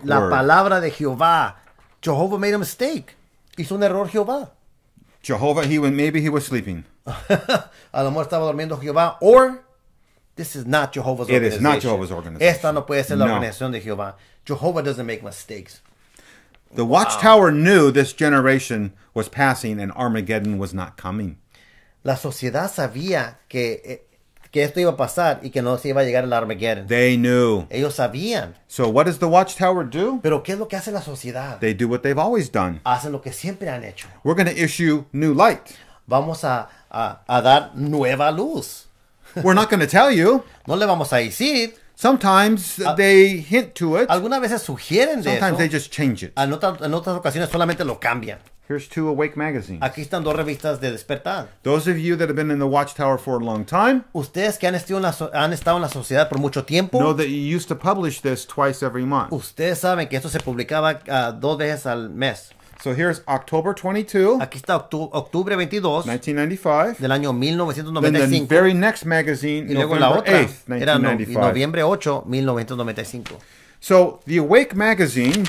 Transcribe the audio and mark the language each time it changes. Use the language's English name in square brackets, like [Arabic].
[Spanish] word. La palabra de Jehová. [English] Jehovah made a mistake. [Spanish] Hizo un error Jehová. [English] Jehovah, maybe he was sleeping. [Spanish] A lo mejor estaba durmiendo Jehová. [English] Or, this is not Jehovah's it organization. It is not Jehovah's organization. [Spanish] Esta no puede ser la organización de Jehová. [English] Jehovah doesn't make mistakes. The Watchtower knew this generation was passing and Armageddon was not coming. [Spanish] La sociedad sabía que esto iba a pasar y que no se iba a llegar el Armageddon. [English] They knew. [Spanish] Ellos sabían. [English] So what does the Watchtower do? [Spanish] Pero ¿qué es lo que hace la sociedad? [English] They do what they've always done. [Spanish] Hacen lo que siempre han hecho. [English] We're going to issue new light. [Spanish] Vamos a dar nueva luz. [English] We're not going to tell you. [Spanish] No le vamos a decir. [English] Sometimes they hint to it. [Spanish] Algunas veces sugieren de [English] sometimes [Spanish] eso. [English] They just change it. [Spanish] En otras ocasiones solamente lo cambian. [English] Here's two awake magazines. [Spanish] Aquí están dos revistas de despertar. [English] Those of you that have been in the Watchtower for a long time. [Spanish] Ustedes que han estado en la sociedad por mucho tiempo. [English] Know that you used to publish this twice every month. [Spanish] Ustedes saben que esto se publicaba dos veces al mes. [English] So here's October 22. [Spanish] Aquí está octubre 22. [English] 1995. [Spanish] Del año 1995. [English] Then the very next magazine, [Spanish] y luego [English] November [Spanish] la otra, [English] 8th, 1995. [Spanish] Era noviembre 8, 1995. [English] So the Awake magazine,